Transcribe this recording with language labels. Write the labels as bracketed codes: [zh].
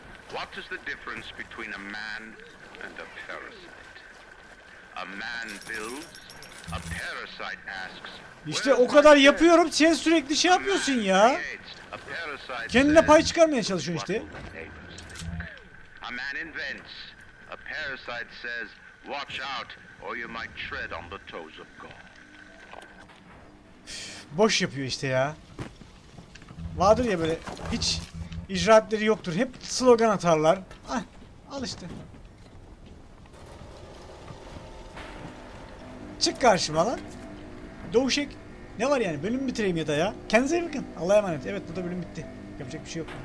[en] What is the difference between a man and a parasite? A man builds, a parasite asks. [tr] İşte o kadar yapıyorum, sen sürekli şey yapıyorsun ya. Kendine pay çıkarmaya çalışıyorsun işte. [en] A man invents, a parasite says, Watch out, or you might tread on the toes of God. [tr] Boş yapıyor işte ya. Vardır ya böyle, hiç icraatleri yoktur. Hep slogan atarlar. Ah, al işte. Çık karşıma lan. Doğuşek. Ne var yani, bölümü bitireyim ya da ya. Kendinize iyi bakın. Allah'a emanet. Evet, burada bölüm bitti. Yapacak bir şey yok.